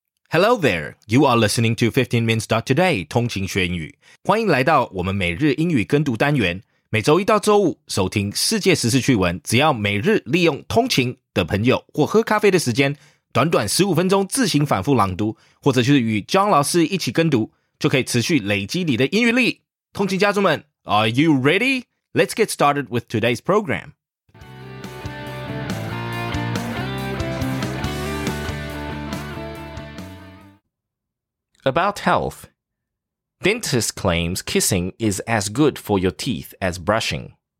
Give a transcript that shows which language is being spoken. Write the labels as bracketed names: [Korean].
[English] Hello there, you are listening to 15minutes.today, [Chinese] 通勤学英语。欢迎来到我们每日英语跟读单元，每周一到周五，收听世界时事趣闻，只要每日利用通勤的朋友或喝咖啡的时间，短短15分钟自行反复朗读，或者就是与 John 老师一起跟读，就可以持续累积你的英语力。通勤家族们 [English] ,Are you ready? Let's get started with today's program. About health. Dentist claims kissing is as good for your teeth as brushing.